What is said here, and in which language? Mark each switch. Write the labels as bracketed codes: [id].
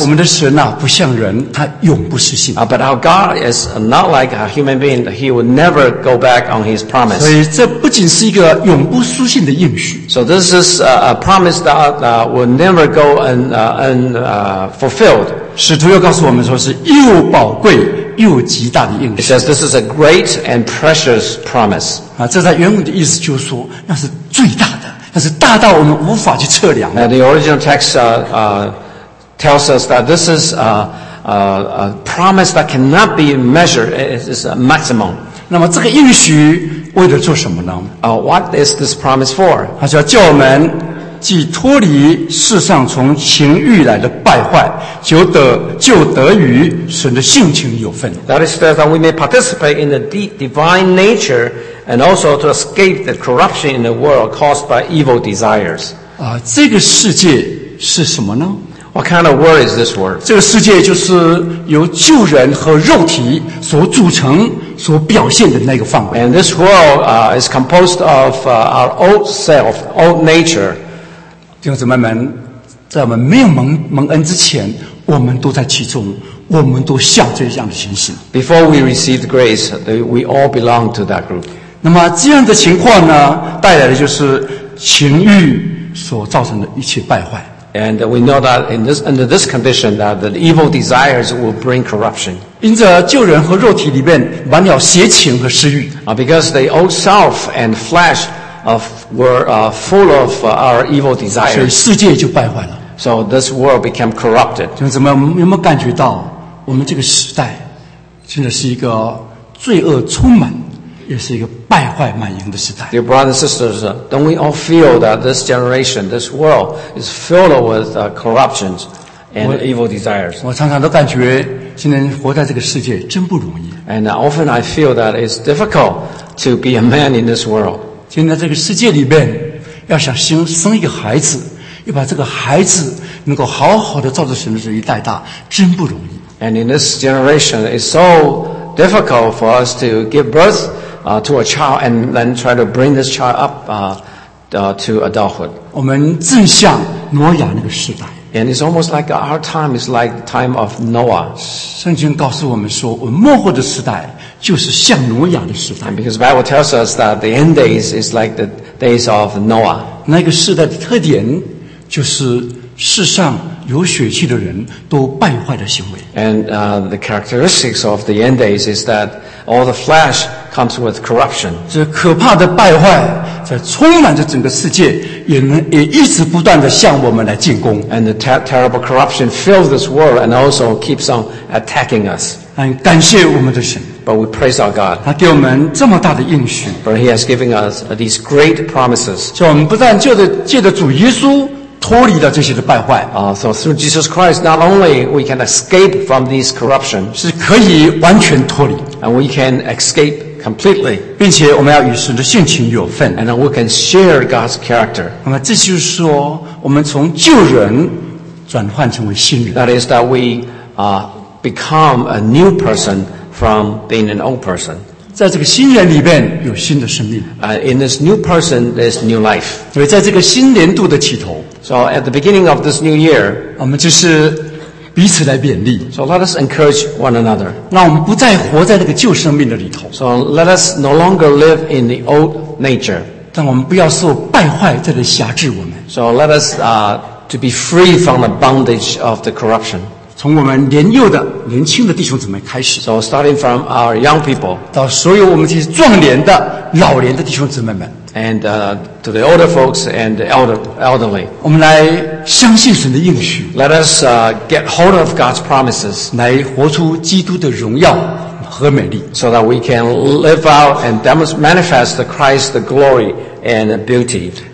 [zh] 我们的神啊，不像人，他永不失信。 [en] But our God is not like a human being. He would never go back on his promise. [zh] 所以这不仅是一个永不失信的应许。 [en] So this is a promise that will never go unfulfilled. [zh] 使徒又告诉我们说是又宝贵又极大的应许。 [en] It says this is a great and precious promise. [zh] 这在原文的意思就是说，那是最大的。那是大到我们无法去测量的。 [en] And the original text tells us that this is a promise that cannot be measured. It is a maximum. [zh] 那么这个应许为了做什么呢？ [en] What is this promise for? [zh] 它是要叫我们既脱离世上从情欲来的败坏，就得与神的性情有份。 [en] That is that we may participate in the divine nature and also to escape the corruption in the world caused by evil desires. [zh] 这个世界是什么呢？ [en] What kind of world is this world? [zh] 这个世界就是由旧人和肉体所组成所表现的那个范围。 [en] And this world is composed of our old self, old nature. [zh] 弟兄姊妹们，在我们没有蒙恩之前，我们都在其中，我们都像这样的情形。 [en] Before we received grace, we all belong to that group. [zh] 那么这样的情况呢，带来的就是情欲所造成的一切败坏。 [en] And we know that in this, under this condition, that the evil desires will bring corruption. [zh] 因着旧人和肉体里面满了邪情和私欲。 [en] Because the old self and flesh. Full of our evil desires. [zh] 所以世界就败坏了。 [en] So this world became corrupted. [zh] 就怎么有没有感觉到我们这个时代真的是一个罪恶充满也是一个败坏满盈的时代。 [en] Dear brothers and sisters, don't we all feel that this generation, this world is filled with corruptions and evil desires? [zh] 我常常都感觉今天活在这个世界真不容易。 [en] And often I feel that it's difficult to be a man in this world. [zh] 现在这个世界里面要想生一个孩子要把这个孩子能够好好的照着神的旨意带大真不容易。 [en] And in this generation, it's so difficult for us to give birth, to a child and then try to bring this child up, to adulthood. [zh] 我们正像挪亚那个时代。 [en] And it's almost like our time is like the time of Noah. [zh] 圣经告诉我们说我们末后的时代就是像挪亚的时代。 [en] And because the Bible tells us that the end days is like the days of Noah. [zh] 那个时代的特点就是世上有血气的人都败坏的行为。 [en] And the characteristics of the end days is that all the flesh comes with corruption. [zh] 这可怕的败坏在充满着整个世界，也一直不断的向我们来进攻。 [en] And the terrible corruption fills this world and also keeps on attacking us. [zh] 感谢我们的神。 [en] But we praise our God. [zh] 他给我们这么大的应许。 [en] But He has given us these great promises. [zh] 就我们不但借着主耶稣。脱离了这些的败坏。 [en] So through Jesus Christ, not only we can escape from these corruption, [zh] 是可以完全脱离。 [en] And we can escape completely. [zh] 并且我们要与神的性情有份。 [en] And we can share God's character. [zh] 那么这就是说，我们从旧人转换成为新人。 [en] That is that we become a new person from being an old person. [zh] 在这个新人里面有新的生命。 [en] In this new person, there's new life. [zh] 所以在这个新年度的起头。 [en] So at the beginning of this new year, [zh] 我们就是彼此来勉励。 [en] So let us encourage one another. [zh] 让我们不再活在那个旧生命的里头。 [en] So let us no longer live in the old nature. [zh] 让我们不要受败坏在这辖制我们。 [en] So let us, to be free from the bondage of the corruption. [zh] 从我们年幼的年轻的弟兄姊妹开始 [en] So starting from our young people [zh] 到所有我们这些壮年的老年的弟兄姊妹们 [en] And to the older folks and the elderly [zh] 我们来相信神的应许 [en] Let us get hold of God's promises [zh] 来活出基督的荣耀和美丽 [en] So that we can live out and manifest Christ's the glory and the beauty